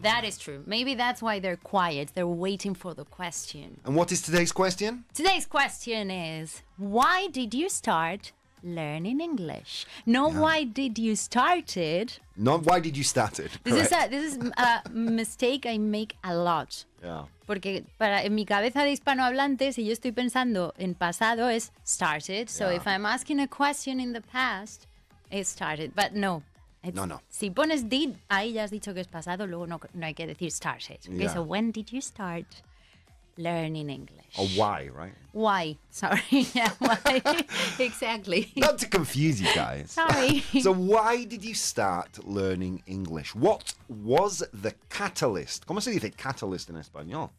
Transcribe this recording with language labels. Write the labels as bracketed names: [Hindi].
[English] That is true. Maybe that's why they're quiet. They're waiting for the question. And what is today's question? Today's question is, why did you start learning English? Why did you start it? Not why did you start it? This is a mistake I make a lot. Yeah. [Spanish] Porque para en mi cabeza de hispanohablante, si yo estoy pensando en pasado, es started. [English] So if I'm asking a question in the past, it started. But no. No. [Spanish] Si pones did, ahí ya has dicho que es pasado, luego no hay que decir started. [English] Okay, yeah. So when did you start learning English? Or why, right? Why? Sorry. Yeah, why? Exactly. Not to confuse you guys. Sorry. So why did you start learning English? What was the catalyst? [Spanish] ¿Cómo se dice catalyst en español?